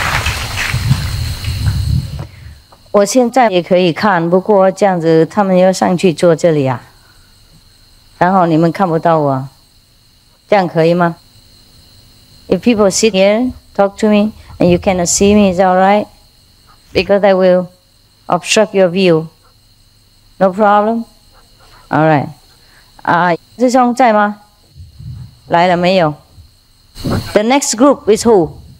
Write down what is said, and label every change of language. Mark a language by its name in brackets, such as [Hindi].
[Chinese] (笑) 我现在也可以看, 不过这样子, 他们要上去坐这里啊, 然后你们看不到我, 这样可以吗? [English] If people sit here, talk to me, and you cannot see me, is that all right? Because that will obstruct your view. No problem? All right. [Chinese] 师兄在吗? 来了没有? The next group is who?